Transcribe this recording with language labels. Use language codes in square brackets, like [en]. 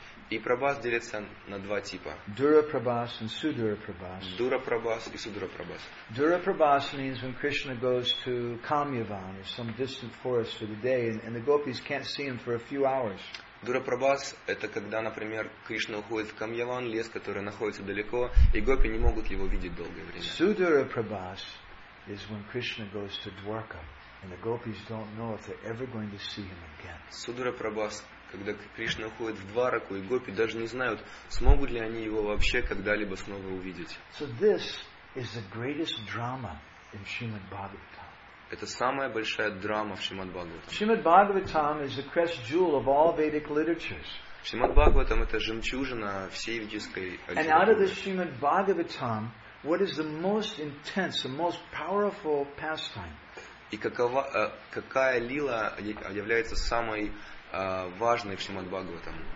[ru] И прабас делится на два типа. [en] Дура прабас and судура прабас. [ru] Дура прабас и судура прабас. [en] Дура прабас means when Krishna goes to Kamyavan or some distant forest for the day and the gopis can't see him for a few hours. [ru] Дура прабас это когда, например, Кришна уходит в Камьяван, лес, который находится далеко, и гопи не могут его видеть долгое время. [en] Судура прабас is when Krishna goes to Dwarka and the gopis don't know if they're ever going to see him again. [ru] Судура прабас когда Кришна уходит в Двараку, и гопи даже не знают, смогут ли они его вообще когда-либо снова увидеть. [en] So this is the greatest drama in Srimad Bhagavatam. [ru] Это самая большая драма в Шримад Бхагаватам. [en] Srimad Bhagavatam is the crest jewel of all Vedic literatures. [ru] Шримад Бхагаватам это жемчужина всей ведической литературы. [en] And out of the Srimad Bhagavatam, what is the most intense, the most powerful pastime? [ru] И какая лила является самой важный в Шримад Бхагаватам.